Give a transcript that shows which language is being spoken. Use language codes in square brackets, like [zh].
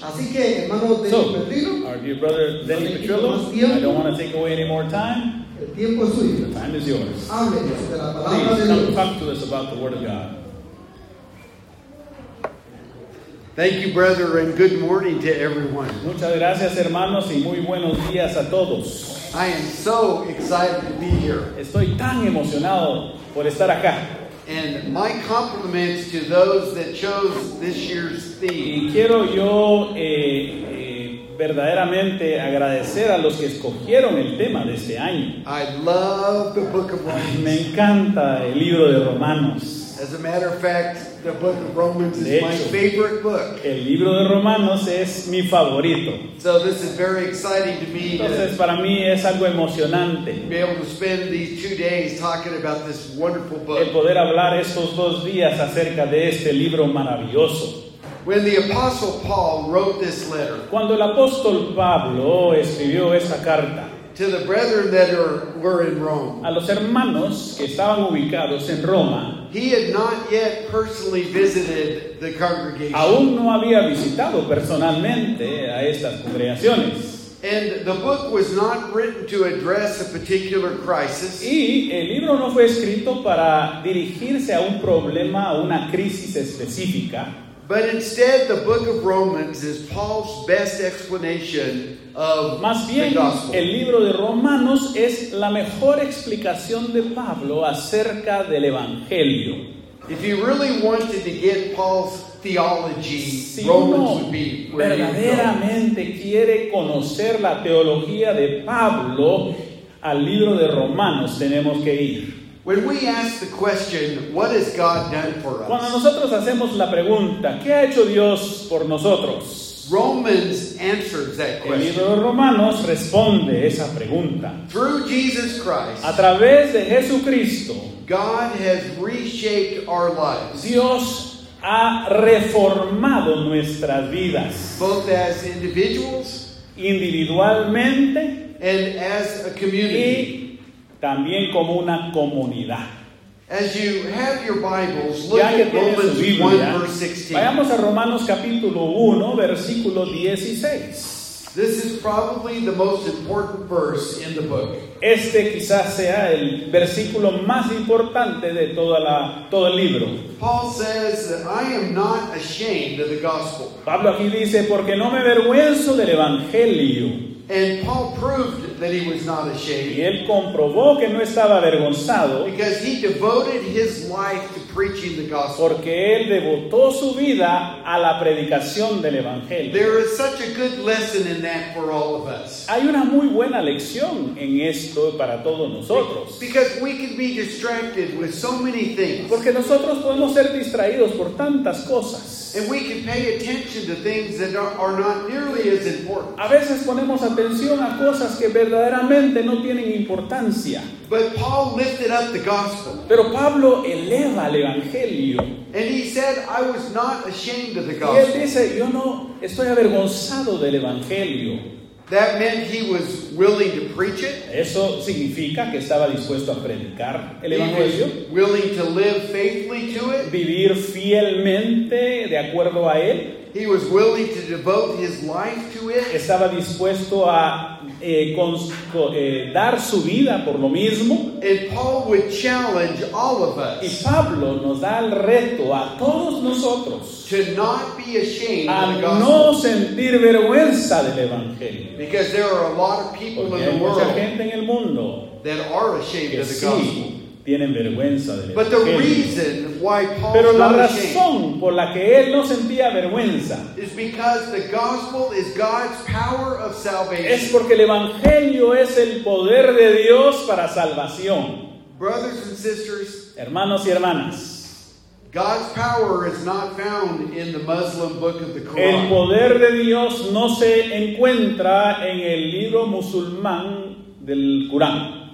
[es] Así que, hermano Denny [en] so, Petrillo, our dear brother Denny Petrillo, I don't want to take away any more time. [es] El tiempo es suyo. [en] The time is yours. Amen. Please come talk to us about the word of God. Thank you, brother, and good morning to everyone. [es] Muchas gracias, hermanos, y muy buenos días a todos. [en] I am so excited to be here. [es] Estoy tan emocionado por estar acá. [en] And my compliments to those that chose this year's theme. [es] Y quiero yo verdaderamente agradecer a los que escogieron el tema de este año. [en] I love the Book of Romans. [es] Me encanta el libro de Romanos. [en] As a matter of fact, the Book of Romans is my favorite book. [es] El libro de Romanos es mi favorito. [en] So this is very exciting to me. [es] Entonces, para mí es algo emocionante. [en] Be able to spend these 2 days talking about this wonderful book. [es] El poder hablar estos 2 días acerca de este libro maravilloso. [en] When the Apostle Paul wrote this letter, [es] cuando el apóstol Pablo escribió esa carta, [en] to the brethren that were in Rome, [es] a los hermanos que estaban ubicados en Roma, [en] he had not yet personally visited the congregation. [es] Aún no había visitado personalmente a estas congregaciones. [en] And the book was not written to address a particular crisis. [es] Y el libro no fue escrito para dirigirse a un problema o una crisis específica. [en] But instead, the book of Romans is Paul's best explanation of [es] más bien, [en] the gospel. [es] El libro de Romanos es la mejor explicación de Pablo acerca del evangelio. [en] If you really wanted to get Paul's theology, [es] si [en] Romans would be where you go. [es] Verdaderamente quiere conocer la teología de Pablo, al libro de Romanos tenemos que ir. [en] When we ask the question, what has God done for us? [es] Cuando nosotros hacemos la pregunta, ¿qué ha hecho Dios por nosotros? [en] Romans answers that question. [es] El libro de Romanos responde esa pregunta. [en] Through Jesus Christ. [es] A través de Jesucristo. [en] God has reshaped our lives. [es] Dios ha reformado nuestras vidas. [en] Both as individuals. [es] Individualmente. [en] And as a community. [es] Y también como una comunidad. [en] As you have your Bibles, look [es] ya que [en] at [es] tienes [en] Romans [es] su Biblia, [en] 1, verse 16. [es] Vayamos a Romanos capítulo 1, versículo 16. [en] This is probably the most important verse in the book. [es] Este quizás sea el versículo más importante de todo el libro. [en] Paul says that I am not ashamed of the gospel. [es] Pablo aquí dice, porque no me avergüenzo del evangelio. [en] And Paul proved that he was not ashamed. [es] Y él comprobó que no estaba avergonzado. [en] Because he devoted his life to preaching the gospel. [es] Porque él devotó su vida a la predicación del evangelio. [en] There is such a good lesson in that for all of us. [es] Hay una muy buena lección en esto para todos nosotros. [en] Because we can be distracted with so many things. [es] Porque nosotros podemos ser distraídos por tantas cosas. [en] And we can pay attention to things that are not nearly as important. [es] A veces ponemos atención a cosas que verdaderamente no tienen importancia. [en] But Paul lifted up the gospel. [es] Pero Pablo eleva el evangelio. [en] And he said, I was not ashamed of the gospel. [es] Y él dice, yo no estoy avergonzado del evangelio. [en] That meant he was willing to preach it. [es] Eso significa que estaba dispuesto a predicar el evangelio. [en] He was willing to live faithfully to it. [es] Vivir fielmente de acuerdo a él. [en] He was willing to devote his life to it. [es] Estaba dispuesto a dar su vida por lo mismo. [en] And Paul would challenge all of us. [es] Y Pablo nos da el reto a todos nosotros. [en] To not be ashamed of the gospel. [es] No sentir vergüenza del evangelio. [en] Because there are a lot of people [es] Porque [en] in the world. [es] Porque hay mucha gente en el mundo [en] that are ashamed of the gospel. [es] Tienen vergüenza del [en] But the [es] evangelio. [en] Reason why Paul [es] Pero la [en] not [es] razón [en] ashamed [es] por la que él no sentía vergüenza [en] is because the gospel is God's power of salvation. [es] Es porque el evangelio es el poder de Dios para salvación. [en] Brothers and sisters, [es] hermanos y hermanas, [en] God's power is not found in the Muslim book of the Quran. [es] El poder de Dios no se encuentra en el libro musulmán del Corán.